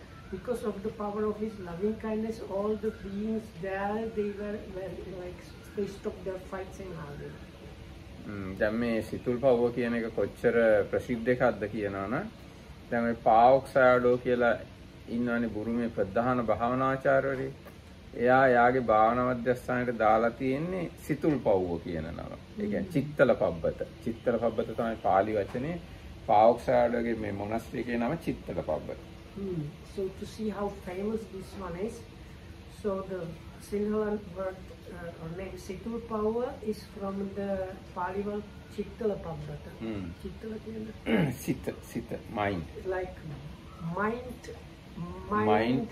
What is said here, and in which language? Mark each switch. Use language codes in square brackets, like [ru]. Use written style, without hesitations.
[en] Because of the power of his loving kindness, all the beings there, they were like, they stopped their fights in Hardy. [si] දැන් මේ සිතුල් පව කියන එක කොච්චර ප්‍රසිද්ධකක්ද කියනවනේ. දැන් මේ පාවොක්සයඩෝ කියලා ඉන්නවනේ බුරුමේ ප්‍රධාන භාවනාචාර්යවරේ. එයා යාගේ භාවනා මධ්‍යස්ථානයට දාලා තියෙන්නේ සිතුල් පව්ව කියන නම. ඒ කියන්නේ චිත්තල පබ්බත. චිත්තල පබ්බත තමයි පාලි වචනේ. පාවොක්සයඩගේ මේ මොනස්ත්‍රිකේ නම චිත්තල Pabbata. [en] So to see how famous this one is, so the Sinhala word or name Sithul Pawwa is from the Pali word Chittala Pabbata. [si] චිත්තල කියන්නේ සිත mind. [en] It's like mind